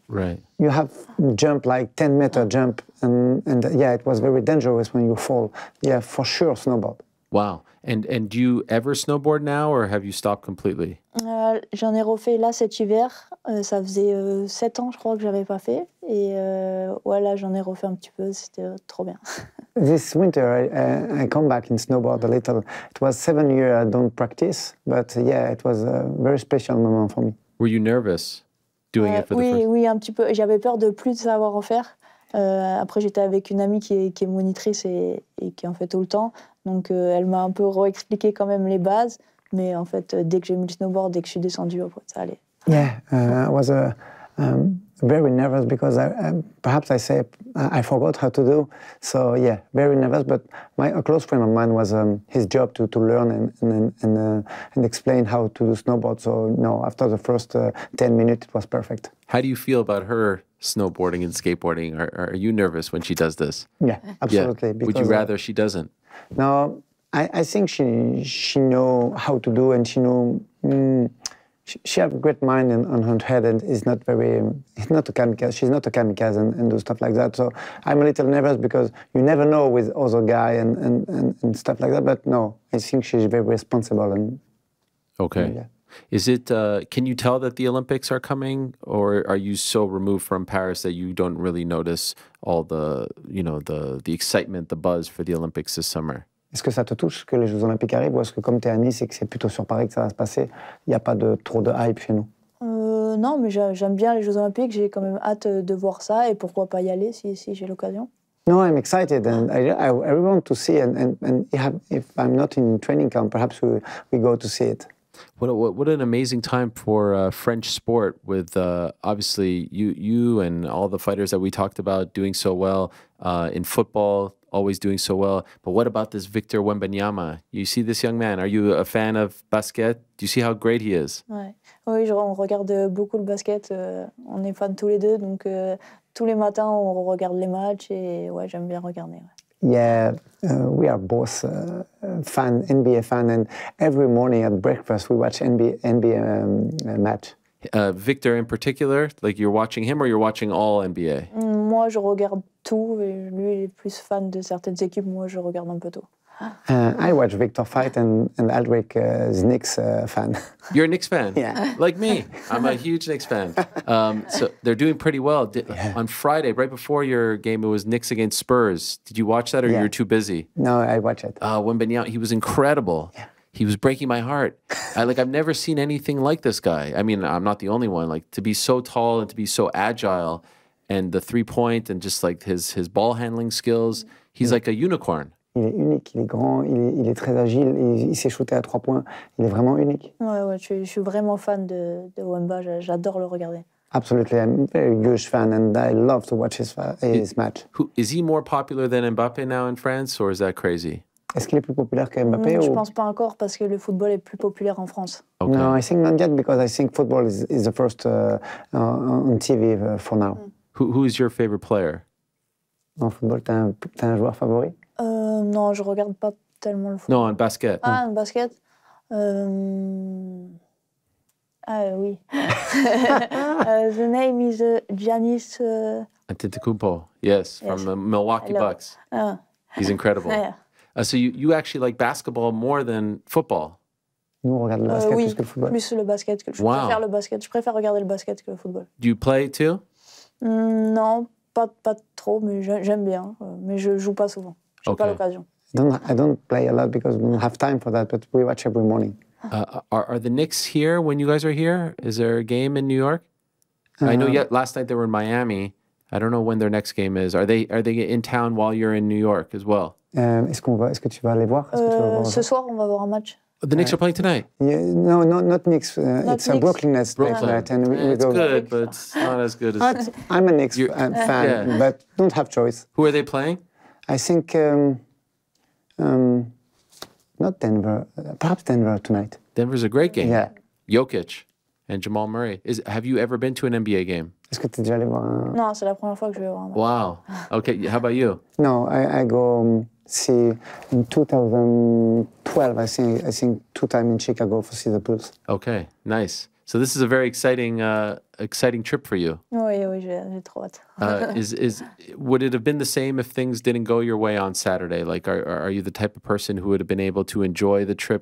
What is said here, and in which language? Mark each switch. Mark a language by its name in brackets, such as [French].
[English] Right. You have jump, like 10 meter jump. And it was very dangerous when you fall. Yeah, for sure, snowboard. Wow. And do you ever snowboard now or have you stopped completely? [French] J'en ai refait là cet hiver. Ça faisait 7 ans, je crois, que je n'avais pas fait. Et voilà, j'en ai refait un petit peu. C'était trop bien. [English] This winter, I come back in snowboard a little. It was 7 years I don't practice. But yeah, it was a very special moment for me. Were you nervous doing it for [French] oui, [English] the first time? [French] Oui, un petit peu. J'avais peur de plus savoir en faire. Après, j'étais avec une amie qui est monitrice et qui en fait tout le temps. Donc, elle m'a un peu re-expliqué quand même les bases. Mais en fait, dès que j'ai mis le snowboard, dès que je suis descendu, ça allait. [English] Yeah, I was very nervous because I forgot how to do. So yeah, very nervous. But a close friend of mine was his job to learn and explain how to do snowboard. So no, after the first 10 minutes, it was perfect. How do you feel about her snowboarding and skateboarding? Are you nervous when she does this? Yeah, absolutely. Yeah. Because, would you rather she doesn't? No, I think she know how to do and she know. She has a great mind on her head and is not very, not a kamikaze. She's not a kamikaze and do stuff like that. So I'm a little nervous because you never know with other guy and stuff like that. But no, I think she's very responsible. And okay. Yeah. Is it, can you tell that the Olympics are coming or are you so removed from Paris that you don't really notice all the, you know, the excitement, the buzz for the Olympics this summer? [French] Est-ce que ça te touche que les Jeux Olympiques arrivent ou est-ce que comme tu es à Nice et que c'est plutôt sur Paris que ça va se passer, il n'y a pas trop de hype chez nous? Non, mais j'aime bien les Jeux Olympiques, j'ai quand même hâte de voir ça et pourquoi pas y aller si j'ai l'occasion. [English] No, I'm excited and I want to see and if I'm not in training camp, perhaps we go to see it. What an amazing time for French sport with obviously you and all the fighters that we talked about doing so well in football, always doing so well. But what about this Victor Wembanyama? You see this young man, are you a fan of basket? Do you see how great he is? [French] Oui, on regarde beaucoup le basket. On est fans tous les deux, donc tous les matins on regarde les matchs et ouais, j'aime bien regarder. Ouais. [English] Yeah, we are both fan, NBA fan, and every morning at breakfast we watch NBA match. Victor in particular, like you're watching him or you're watching all NBA? [French] Moi, je regarde tout. Et lui, il est plus fan de certaines équipes. Moi, je regarde un peu tout. [English] I watch Victor fight and Aldrich is Knicks fan. You're a Knicks fan? Yeah. Like me. I'm a huge Knicks fan. So they're doing pretty well. On Friday, right before your game, it was Knicks against Spurs. Did you watch that or you were too busy? No, I watched it. Wembanyama, he was incredible. Yeah. He was breaking my heart. I've never seen anything like this guy. I mean, I'm not the only one. Like, to be so tall and to be so agile and the three-point and just like his ball handling skills, he's like a unicorn. [French] Il est unique, il est grand, il est très agile, il s'est shooté à trois points. Il est vraiment unique. Ouais, je suis vraiment fan de Wemba, j'adore le regarder. [English] Absolutely, I'm a very huge fan and I love to watch his match. Is he more popular than Mbappé now in France or is that crazy? [French] Est-ce qu'il est plus populaire que Mbappé? Je ne pense pas encore parce que le football est plus populaire en France. [English] Okay. [French] Non, je ne pense pas encore parce que je pense que le football est le premier sur TV pour maintenant. Qui est votre [English] favorite player? [French] En football, tu as un joueur favori? Non, je ne regarde pas tellement le football. Non, en basket. Ah, en basket. Oui. [English] the name is Giannis. Antetokounmpo, yes, from the Milwaukee Hello. Bucks. He's incredible. So you actually like basketball more than football? [French] Nous regardons le basket plus que le football. Plus le basket que je préfère le basket. Je préfère regarder le basket que le football. [English] Do you play too? [French] Non, pas trop, mais j'aime bien. Mais je joue pas souvent. J'ai pas l'occasion. [English] I don't play a lot because we don't have time for that, but we watch every morning. Are the Knicks here when you guys are here? Is there a game in New York? I know last night they were in Miami. I don't know when their next game is. Are they in town while you're in New York as well? [French] Est-ce que tu vas aller voir? Ce soir, on va voir un match. [English] The Knicks are playing tonight. Yeah, no, not Knicks. It's Knicks. Brooklyn Nets. Brooklyn. Right, and it's good, but it's not as good as... I'm a Knicks fan, yeah. But don't have choice. Who are they playing? I think... not Denver. Perhaps Denver tonight. Denver's a great game. Yeah. Jokic and Jamal Murray. Have you ever been to an NBA game? [French] Est-ce que tu es déjà allé voir un... Non, c'est la première fois que je vais voir un match. [English] Wow. Okay, how about you? No, I go... see, in 2012, I think two times in Chicago for see the Bulls. Okay, nice. So this is a very exciting, exciting trip for you. [French] Oui, j'ai trop hâte. [English] Would it have been the same if things didn't go your way on Saturday? Like, are you the type of person who would have been able to enjoy the trip?